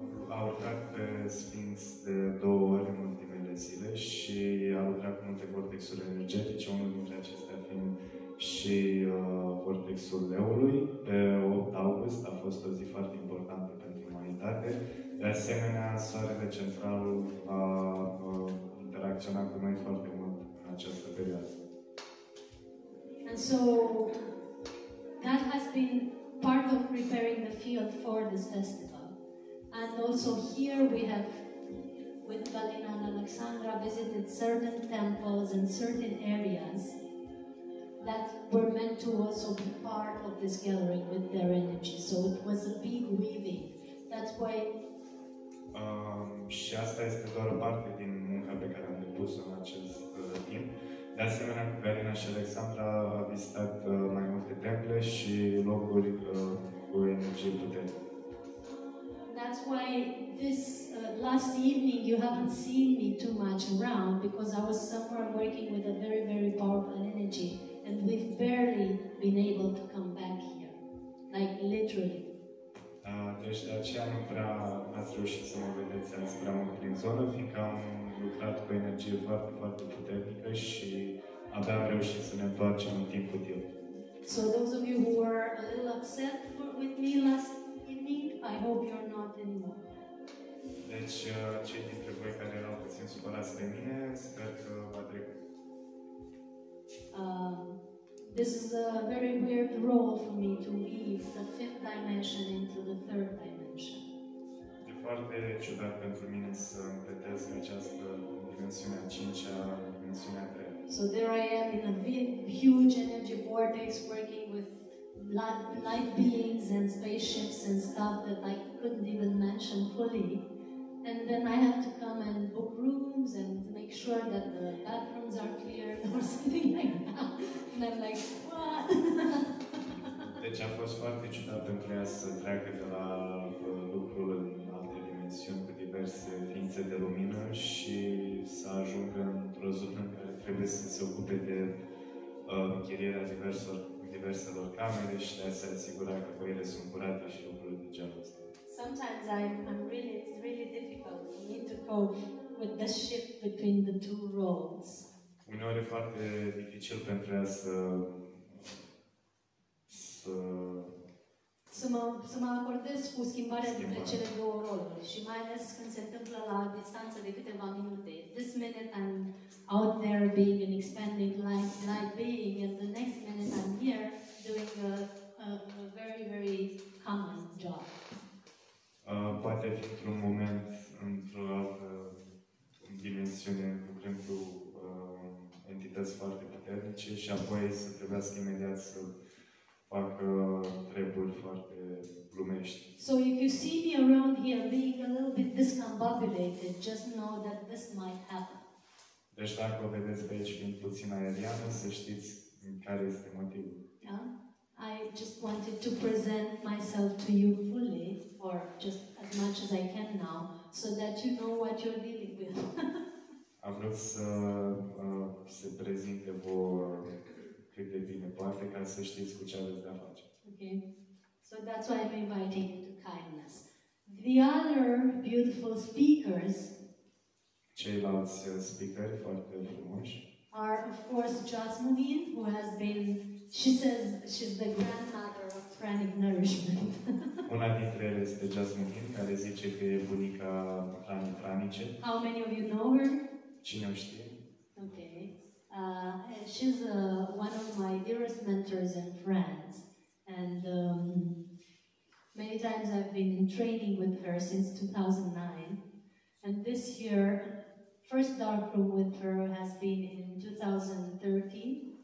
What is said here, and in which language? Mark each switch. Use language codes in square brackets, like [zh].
[ro] A lucrat pe Sphinx de două ori în ultimele zile și a lucrat cu multe vortexuri energetice, unul dintre acestea fiind și vortexul leului. Pe 8 august a fost o zi foarte importantă pentru umanitate. De asemenea, Soarele Central a interacționat cu noi foarte mult în această perioadă. [en] And so, that has been part of preparing the field for this festival. And also here we have, with Valina and Alexandra, visited certain temples and certain areas that were meant to also be part of this gathering with their energy. So it was a big weaving. That's why... [ro] Și asta este doar o parte din munca pe care am depus-o în acest timp. De asemenea, Valina și Alexandra a vizitat mai multe temple și locuri cu energie puternică. [en] That's why this last evening you haven't seen me too much around, because I was somewhere working with a very, very powerful energy and we've barely been able to come back here. Like, literally. [ro] Deci de aceea nu prea ați reușit să mă vedeți azi prea mult prin zonă, fiindcă am lucrat cu energie foarte, foarte puternică și abia am reușit să ne întoarcem în timp util. [en] So those of you who were a little upset with me last evening, I hope you're not anymore. [ro] Deci cei dintre voi care erau puțin supărați de mine, sper că va trec. [en] This is a very weird role for me to weave the fifth dimension into the third dimension. [ro] E foarte ciudat pentru mine să împletez această dimensiune a cincea, dimensiunea a treia. [en] So there I am in a huge energy vortex working with light beings and spaceships and stuff that I couldn't even mention fully. And then I have to come and book rooms and make sure that the bathrooms are clear or something like that. And I'm like, what? [ro] Deci a fost foarte ciudat pentru ea să treacă de la lucrul în alte dimensiuni cu diverse ființe de lumină și să ajungă într-o zonă în care trebuie să se ocupe de închirierea diverselor camere și de a se asigura că căile sunt curate și lucruri de genul ăsta. [en] Sometimes it's really difficult for me to cope with the shift between the two roles. [ro] Uneori e foarte dificil pentru ea să mă acordez cu schimbarea dintre cele două roluri. Și mai ales când se întâmplă la distanță de câteva minute. [en] This minute I'm out there being an expanding light being, and the next minute I'm here doing a very, very common job. [ro] Poate fi într-un moment, într-o altă dimensiune, lucrând cu entități foarte puternice și apoi să trebuiască imediat să facă treburi foarte lumești. [en] So if you see me around here being a little bit discombobulated, just know that this might happen. [ro] Deci dacă o vedeți pe aici fiind puțin aeriană, să știți care este motivul. [en] I just wanted to present myself to you fully, or just as much as I can now, so that you know what you're dealing with. [ro] Am vrut să se prezinte vouă cât de bine poate ca să știți cu ce aveți de-a face. [en] Okay. So that's why I'm inviting you to kindness. The other beautiful speakers, [ro] ceilalți speaker foarte frumoși, [en] are of course Jasmine, who has been, she says she's the grandmother of Pranic nourishment. [ro] Una dintre ele este Jasmine, care zice că e bunica Pranice. [en] How many of you know her? [ro] Cine o știe? [en] Okay. She's one of my dearest mentors and friends. And many times I've been in training with her since 2009. And this year, first dark room with her has been in 2013.